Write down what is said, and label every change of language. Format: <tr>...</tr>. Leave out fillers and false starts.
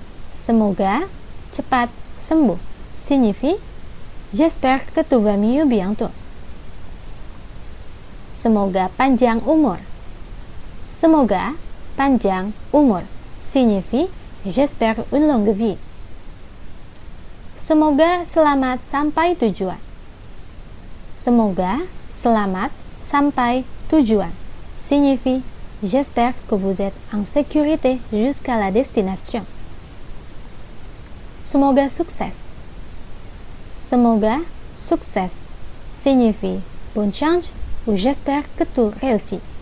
<id>Semoga cepat sembuh</id> <fr>signifie j'espère que tout va mieux bientôt.</fr> <id>Semoga panjang umur. Semoga panjang umur</id> <fr>signifie j'espère une longue vie.</fr> <id>Semoga selamat sampai tujuan. Semoga selamat sampai tujuan</id> <fr>signifie j'espère que vous êtes en sécurité jusqu'à la destination.</fr> <id>Semoga sukses. Semoga sukses</id> <fr>signifie bonne chance ou j'espère que tout réussit.</fr>